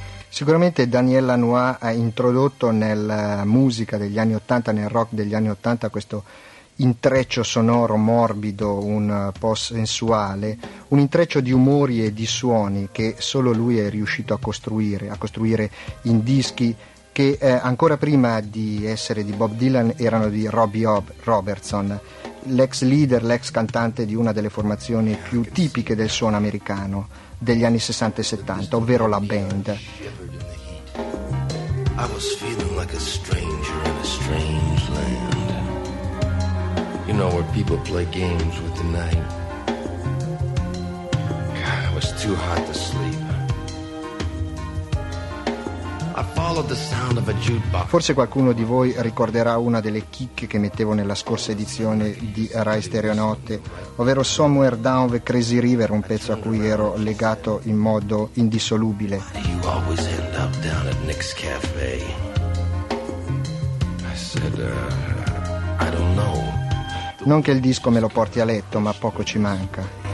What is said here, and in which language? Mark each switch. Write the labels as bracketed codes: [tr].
[it] Sicuramente Daniel Lanois ha introdotto nella musica degli anni Ottanta, nel rock degli anni Ottanta, questo intreccio sonoro morbido, un po' sensuale, un intreccio di umori e di suoni che solo lui è riuscito a costruire in dischi che ancora prima di essere di Bob Dylan erano di Robbie Robertson, l'ex leader, l'ex cantante di una delle formazioni più tipiche del suono americano degli anni 60 e 70, ovvero la band. [en] I was feeling like a stranger in a strange land. You know where people play games with the night. God, it was too hot to sleep. I followed the sound of a jukebox. [it] Forse qualcuno di voi ricorderà una delle chicche che mettevo nella scorsa edizione di Rai Stereo Notte, ovvero Somewhere Down the Crazy River, un pezzo a cui ero legato in modo indissolubile. [en] You always end up down at Nick's Cafe. I said, I don't know. [it] Non che il disco me lo porti a letto, ma poco ci manca.